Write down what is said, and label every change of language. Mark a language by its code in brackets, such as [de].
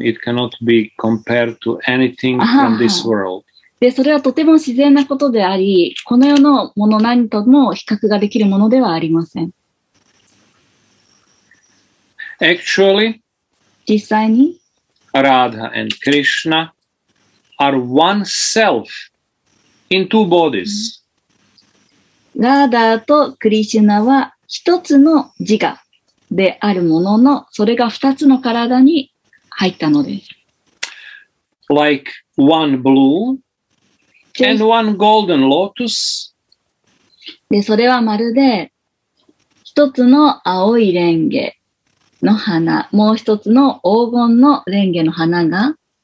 [en] It cannot be compared to anything from this world. [ja] で、それはとても自然なことであり、この世のもの何とも比較ができるものではありません。 [en] Actually, [ja] 実際に、 [en] Radha and Krishna are one self in two bodies. [ja] Radha と Krishna は一つの自我。であるものの、それが二つの体に入ったのです。 [en] Like one blue and one golden lotus. [ja] で、それはまるで一つの青いレンゲの花、もう一つの黄金のレンゲの花が、